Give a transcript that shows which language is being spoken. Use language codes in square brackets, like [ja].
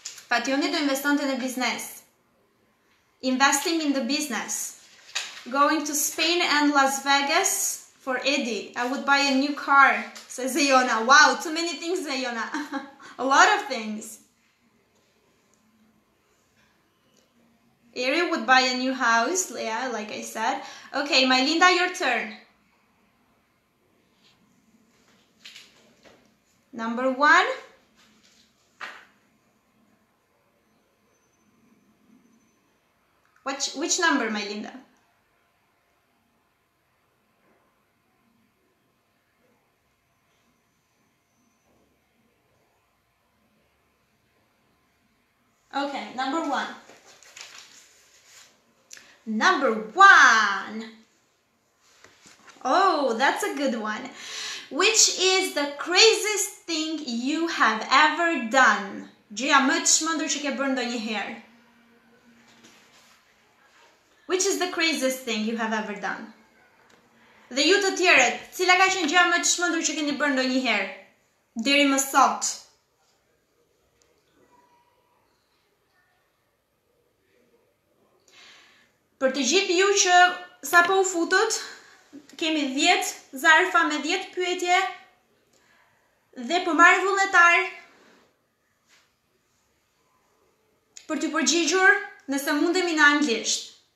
[sq] Fationi do investonte në biznes. [en] Investing in the business. Going to Spain and Las Vegas for Eddie. I would buy a new car, says Iona. Wow, too many things, Iona. A lot of things. Eri would buy a new house, yeah, like I said. Okay, Mylinda, your turn. Number one. Which number, Mylinda? Okay, number one. Number one. Oh, that's a good one. Which is the craziest thing you have ever done? [sq] Gjëja më e çmendur që ke bërë ndonjëherë. [en] Which is the craziest thing you have ever done? [sq] Dhe ju të tjerët, cila ka qenë gjëja më e çmendur që keni bërë ndonjëherë deri më sot? Për të gjithë ju që sa po u futët, kemi 10 zarfa me 10 pyetje dhe po marrë vullnetar për të përgjigjur nëse mundemi në anglisht.